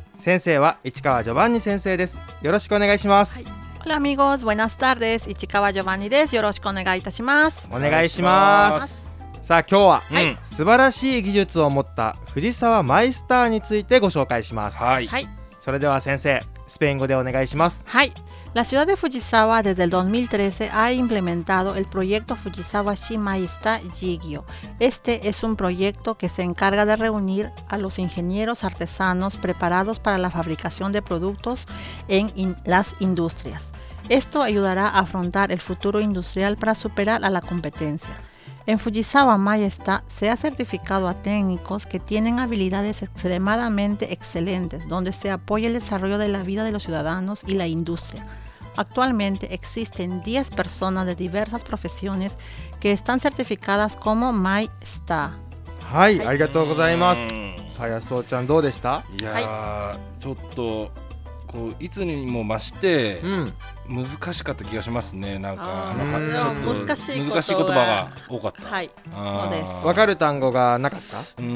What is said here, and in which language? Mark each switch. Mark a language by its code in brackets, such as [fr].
[ja] 先生は市川ジョバンニ先生です。よろしくお願いします。 [es] ホラミゴーズ、ウェナスタール [ja] です。市川ジョバンニです。よろしくお願いいたします。お願いします。さあ今日は、素晴らしい技術を持った藤沢マイスターについてご紹介します。はい、それでは先生、スペイン語でお願いします。はい。 [es] La ciudad de Fujisawa desde el 2013 ha implementado el proyecto Fujisawa Shi Maista Jigyo. Este es un proyecto que se encarga de reunir a los ingenieros artesanos preparados para la fabricación de productos en las industrias. Esto ayudará a afrontar el futuro industrial para superar a la competencia. En Fujisawa Maista se ha certificado a técnicos que tienen habilidades extremadamente excelentes, donde se apoya el desarrollo de la vida de los ciudadanos y la industria. Actualmente existen 10 personas de diversas profesiones que están certificadas como Maista. [ja] はい、ありがとうございます。さやそうちゃん、どうでした？いやちょっとこういつにも増して難しかった気がしますね。なんかちょっと難しい言葉が多かった。はい、そうです。分かる単語がなかった。